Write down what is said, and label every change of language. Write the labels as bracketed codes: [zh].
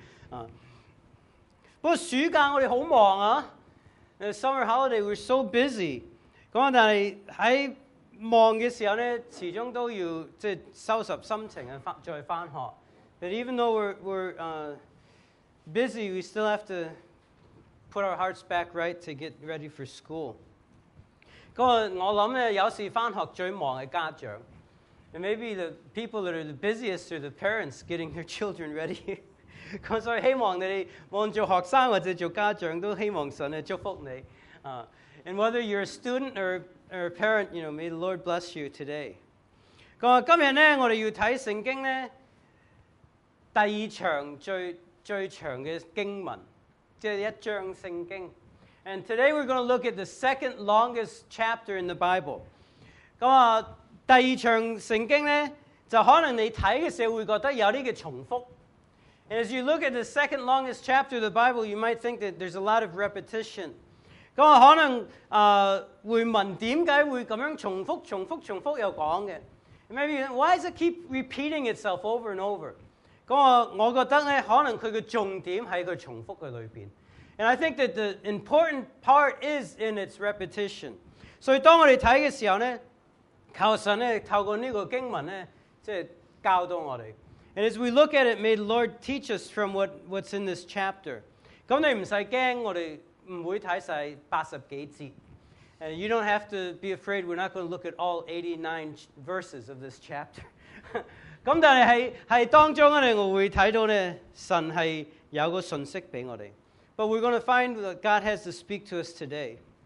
[yue] 啊，不過暑假我哋好忙啊 ， [en] summer holiday we're so busy。 [yue] 咁啊，但係喺忙嘅時候咧，始終都要即係收拾心情啊，再翻學。 [en] But even though we're busy, we still have to put our hearts back right to get ready for school。 [yue] 咁我諗咧，有時翻學最忙嘅家長。 [en] And maybe the people that are the busiest are the parents getting their children ready. [yue] 咁所以希望你望住學生或者做家長都希望神祝福你。 [en] And whether you're a student or a parent, you know, may the Lord bless you today. [yue] 咁今日咧，我哋要睇聖經咧第二長最長嘅經文，即係一章聖經。 [en] And today we're going to look at the second longest chapter in the Bible. [yue] 咁第二長聖經咧，就可能你睇嘅時候會覺得有呢個重複。 [en] And as you look at the second longest chapter of the Bible, you might think that there's a lot of repetition. [yue] 咁可能會問點解會咁樣重複、重複、重複又講嘅 [en] ？Maybe why does it keep repeating itself over and over？ [yue] 咁我覺得咧，可能佢嘅重點喺個重複嘅裏邊。 [en] And I think that the important part is in its repetition. [yue] 所以當我哋睇嘅時候咧。靠神咧，透過呢個經文咧，即係教導我哋。 [en] And as we look at it, may the Lord teach us from what's in this chapter. [yue] 咁你唔使驚，我哋唔會睇曬八十幾節。 [en] And you don't have to be afraid. We're not going to look at all 89 verses of this chapter. [yue] 咁但係喺當中咧，我會睇到咧，神係有個信息俾我哋。 [en] But we're going to find that God has to speak to us today.